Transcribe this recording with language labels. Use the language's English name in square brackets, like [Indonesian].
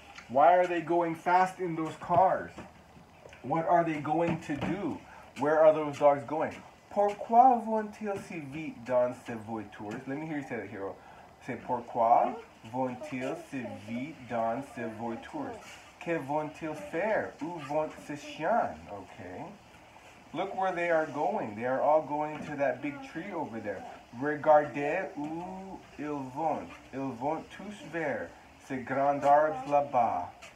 [English] Why are they going fast in those cars? What are they going to do? Where are those dogs going? [French] Pourquoi vont-ils si vite dans ces voitures? [English] Let me hear you say that, Hiro. [French] Say, pourquoi vont-ils si vite dans ces voitures? Que vont-ils faire? Où vont ces chiens? Okay. [English] Look where they are going. They are all going to that big tree over there. [French] Regardez où ils vont. Ils vont tous vers ces grands arbres là-bas.